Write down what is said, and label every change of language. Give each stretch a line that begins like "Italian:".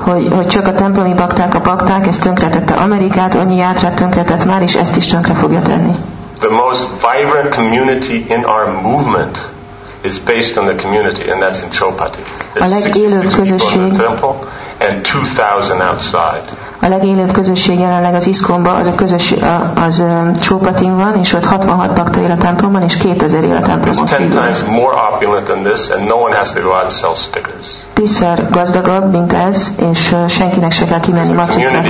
Hungarian: Hogy csak a templomi bakták a bakták, ez tönkretette Amerikát, annyi játrát tönkretett már, és ezt is tönkre fogja tenni.
English: The most vibrant community in our movement is based on the community, and that's in Chaupati.
Hungarian: A legélőbb közösség,
English: and 2,000 outside.
Hungarian: A legélőbb közösség jelenleg az ISKCON-ban, az a közösség, az Csópatin van, és ott 66 bakta él a templomban, és 2000 él a templomban.
English: 10 times more opulent than this, and no one has to go out and sell stickers.
Hungarian: 10-szer gazdagabb, mint ez, és senkinek se kell kimenni matricát